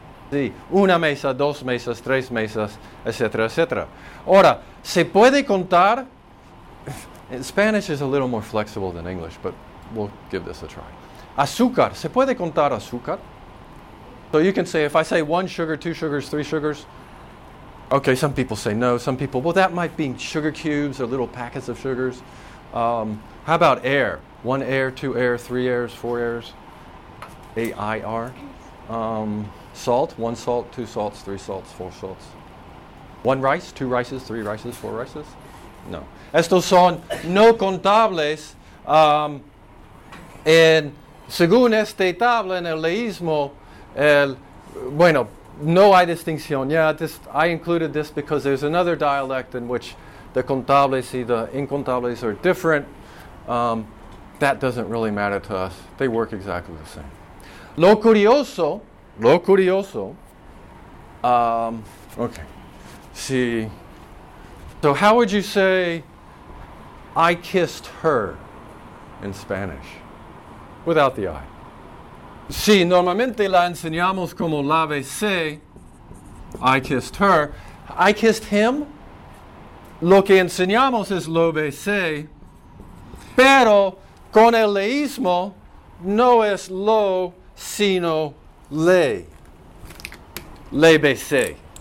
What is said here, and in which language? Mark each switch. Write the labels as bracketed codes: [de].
[es] Sí, una mesa, dos mesas, tres mesas, etcétera, etcétera. Ahora, ¿se puede contar? [en] Spanish is a little more flexible than English, but we'll give this a try. [es] Azúcar, ¿se puede contar azúcar? [en] So you can say, if I say one sugar, two sugars, three sugars. Okay, some people say no. Some people, well, that might be sugar cubes or little packets of sugars. How about air? One air, two air, three airs, four airs. A-I-R. Salt, one salt, two salts, three salts, four salts. One rice, two rices, three rices, four rices. No. [es] Estos son no contables. En, según este tabla en el leísmo, el, bueno, no hay distinción. [en] Yeah, just, I included this because there's another dialect in which the contables y the incontables are different. That doesn't really matter to us. They work exactly the same. [es] Lo curioso, [en] okay, see, so how would you say I kissed her in Spanish without the I? [es] Sí, normalmente la enseñamos como la besé, [en] I kissed her. I kissed him, [es] lo que enseñamos es lo besé, pero con el leísmo no es lo, sino le. Le besé.